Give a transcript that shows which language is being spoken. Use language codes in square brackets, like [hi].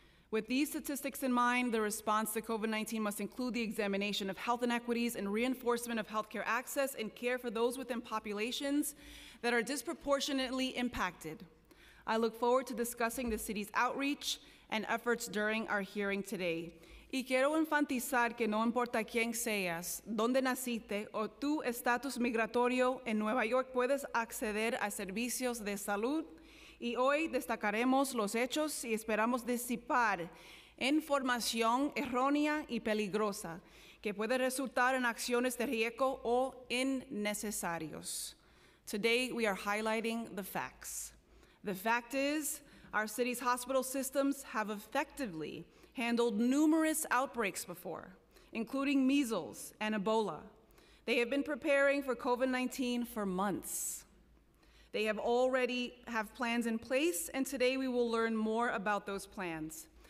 [en] With these statistics in mind, the response to COVID-19 must include the examination of health inequities and reinforcement of healthcare access and care for those within populations that are disproportionately impacted. I look forward to discussing the city's outreach and efforts during our hearing today. [es] Y quiero enfatizar que no importa quién seas, dónde naciste o tu estatus migratorio en Nueva York, puedes acceder a servicios de salud. Y hoy destacaremos los hechos y esperamos disipar información errónea y peligrosa que puede resultar en acciones de riesgo o innecesarios. [en] Today we are highlighting the facts. The fact is, our city's hospital systems have effectively handled numerous outbreaks before, including measles and Ebola. They have been preparing for COVID-19 for months. They have already have plans in place, and today we will learn more about those plans.